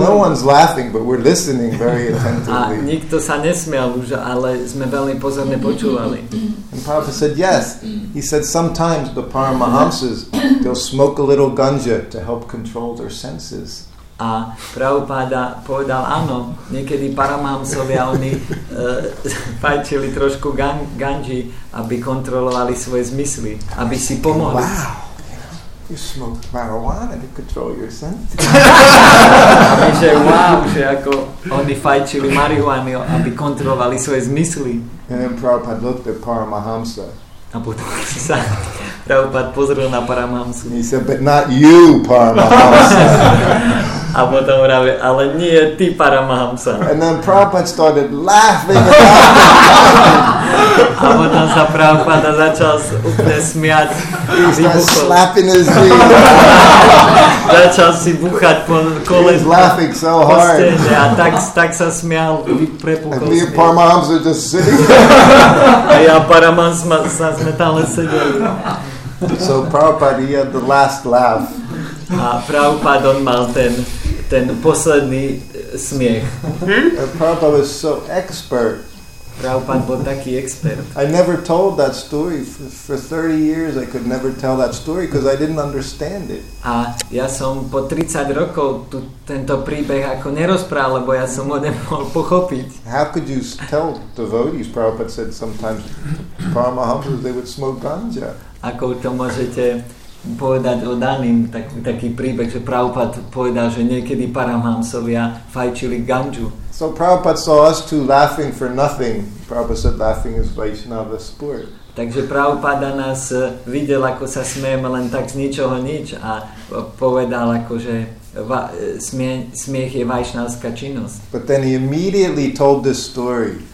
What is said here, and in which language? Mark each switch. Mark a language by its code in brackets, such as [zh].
[en] No one's laughing, but we're listening very attentively. [sk] A nikto sa nesmial už, ale sme veľmi pozorne počúvali. [en] And Prabhupada said, yes. He said, sometimes the Paramahamsas, they'll smoke a little ganja to help control their senses. [sk] A Prabhupáda povedal, áno, niekedy Paramahamsovia, oni páčili trošku ganji, aby kontrolovali svoje zmysly, aby si pomohli. [en] Wow. you smoke marijuana to control your senses. [sk] A že wow, že ako oni fajčili marihuany, aby kontrolovali svoje zmysly. [en] And then Prabhupada looked at Paramahamsa. [sk] A potom sa Prabhupada pozrel na Paramahamsu. [en] He said, but not you, Paramahamsa. [sk] A potom hovorí, ale nie ty, Paramahamsa. [en] And then Prabhupada started laughing about him. [sk] A potom sa Prabhupada začal úplne smiať. [en] Slapping his knee. [sk] Začal si búchať po kolene. [en] He's laughing so hard. Postene, [sk] a tak sa smial, prepukol. [en] And me and Paramahamsa are just sitting. [sk] A ja Paramahamsa sa sme tam len sedeli. [en] So Prabhupada, he had the last laugh. [sk] A Prabhupada, on mal ten posledný smiech. [en] And Prabhupada was so expert. [sk] Prabhupada bol taký expert. [en] I never told that story for 30 years. I could never tell that story because I didn't understand it. [sk] A ja som po 30 rokov tento príbeh ako nerozprával, lebo ja som ho nemohol pochopiť. [en] How could you tell devotees, Prabhupada said sometimes, Paramahamsas, they would smoke ganja. [sk] Ako to môžete povedať o daným taký príbeh, že Prabhupada povedal, že niekedy Paramahamsovia fajčili ganju. [en] So Prabhupada saw us two laughing for nothing. Prabhupada said laughing is Vaishnava sport. [sk] Takže Prabhupada nás videl, ako sa smejeme len tak z ničoho nič a povedal, akože smiech je vaishnavská činnosť. [en] But then he immediately told this story.